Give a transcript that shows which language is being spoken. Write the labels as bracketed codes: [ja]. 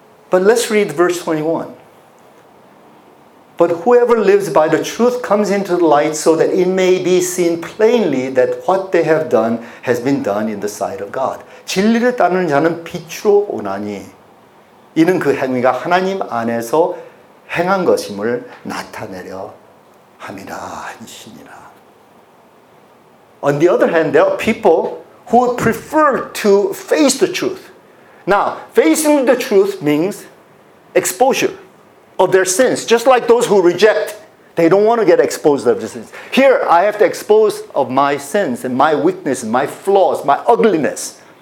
[en] But let's read verse 21. But whoever lives by the truth comes into the light so that it may be seen plainly that what they have done has been done in the sight of God. [ko] 진리를 따르는 자는 빛으로 오나니 이는 그 행위가 하나님 안에서 행한 것임을 나타내려 함이라 하시니라. [en] On the other hand, there are people who prefer to face the truth. Now, facing the truth means exposure of their sins. Just like those who reject, they don't want to get exposed of their sins. Here, I have to expose of my sins and my weakness and my flaws, my ugliness.